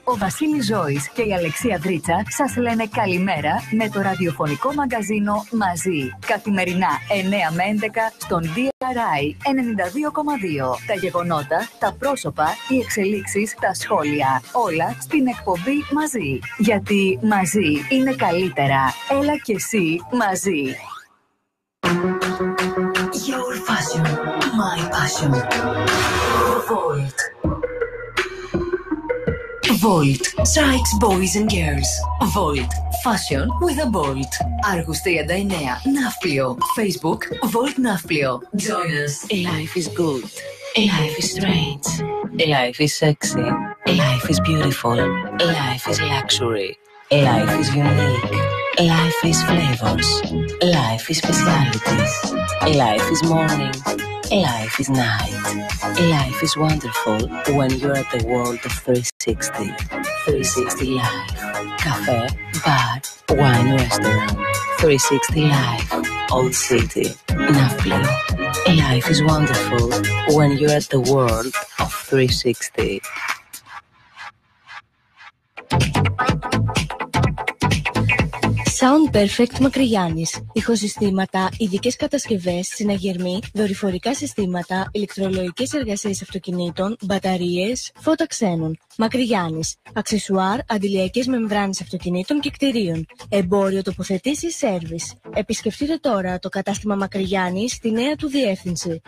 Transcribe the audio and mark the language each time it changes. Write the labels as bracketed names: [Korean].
[Greek] Ο Βασίλης Ζώης και η Αλεξία Δρίτσα σας λένε καλημέρα με το ραδιοφωνικό μαγκαζίνο «Μαζί». Καθημερινά 9 με 11 στον DRI 92,2. Τα γεγονότα, τα πρόσωπα, οι εξελίξεις, τα σχόλια. Όλα στην εκπομπή «Μαζί». Γιατί μαζί είναι καλύτερα. Έλα και εσύ μαζί. [English] Your passion, my passion. Volt. Volt strikes boys and girls. Volt fashion with a bolt. [Greek] Argus 39 Ναύπλιο. Facebook Volt Ναύπλιο. [English] Join us. A life is good. A life is strange. A life is sexy. A life is beautiful. A life is luxury. A life is unique. Life is flavors. Life is specialities. Life is morning. Life is night. Life is wonderful when you're at the world of 360. 360 Life. Cafe, bar, wine restaurant. 360 Life. Old City. Napoli. Life is wonderful when you're at the world of 360. [Greek] Sound Perfect Μακρυγιάννης. Ηχοσυστήματα, ειδικές κατασκευές, συναγερμοί, δορυφορικά συστήματα, ηλεκτρολογικές εργασίες αυτοκινήτων, μπαταρίες, φώτα ξένων. Μακρυγιάννης. Αξεσουάρ, αντιλιακές μεμβράνες αυτοκινήτων και κτηρίων. Εμπόριο τοποθετήσεις σέρβις. Επισκεφτείτε τώρα το κατάστημα Μακρυγιάννης στη νέα του διεύθυνση.